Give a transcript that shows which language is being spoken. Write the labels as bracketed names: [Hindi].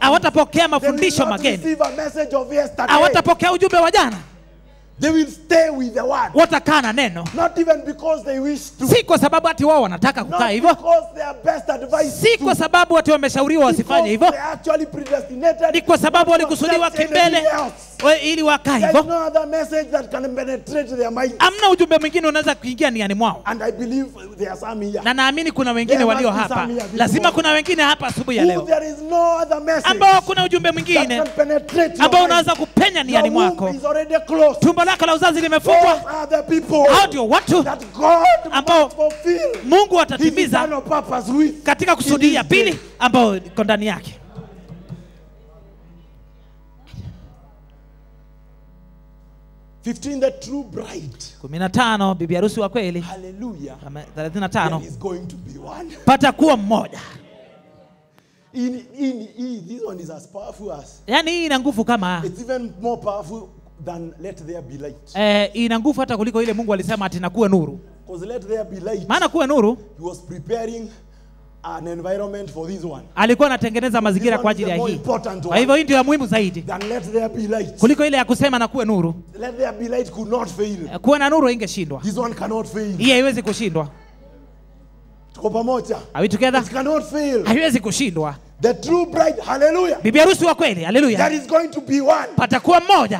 [Swahili] Hawatapokea mafundisho mageni. [English] They will not receive a message of yesterday. [Swahili] Hawatapokea ujumbe wa jana. [English] They will stay with the word. [Swahili] Watakaa na neno. [English] Not even because they wish to. [Swahili] Si kwa sababu ati wao wanataka kukaa hivyo. [English] Not because they are best advised. [Swahili] Si kwa sababu ati wameshauriwa wasifanye hivyo. [English] They are actually predestinated. [Swahili] Ni kwa sababu walikusudiwa kimbele. Wewe ili wakae hivyo. [English] There is no other message that can penetrate their mind. [Swahili] Hamna ujumbe mwingine unaweza kuingia ndani mwao. [English] And I believe there are some here. [Swahili] Na naamini kuna wengine walio hapa. Lazima kuna wengine hapa asubuhi ya leo. [English] There is no other message. [Swahili] Ambao kuna ujumbe mwingine. [English] That can penetrate your mind. [Swahili] Ambao unaweza kupenya ndani mwako. [English] Is already closed. [Swahili] Tumbo lako la uzazi limefungwa. [English] Are the people. How do you want to? That God will fulfill. [Swahili] Mungu atatimiza. [English] His eternal purpose with. [Swahili] Katika kusudi ya pili ambao iko ndani yake. [English] Fifteen, the true bride. [Swahili] Kuminatano, bibi arusi wa kweli. Hallelujah. Thalathinatano. [English] There is going to be one. [Swahili] Patakuwa mmoja. [English] This one is as powerful as. [Swahili] Yani hii ina nguvu kama. [English] It's even more powerful than let there be light. [Swahili] Ina nguvu hata kuliko ile Mungu alisema ati nakuwe nuru. [English] Because let there be light. [Swahili] Maana kuwe nuru. [English] He was preparing an environment for this one. [Swahili] Alikuwa anatengeneza mazingira kwa ajili ya hii. Kwa hivyo hii ndio ya muhimu zaidi. [English] Than let there be light. [Swahili] Kuliko ile ya kusema na kuwe nuru. [English] Let there be light could not fail. [Swahili] Kuwa na nuru ingeshindwa. [English] This one cannot fail. [Swahili] Hii haiwezi kushindwa. Tuko pamoja. [English] Are we together? It cannot fail. [Swahili] Haiwezi kushindwa. [English] The true bride, hallelujah. [Swahili] Bibi harusi wa kweli, hallelujah. [English] There is going to be one. [Swahili] Patakuwa mmoja.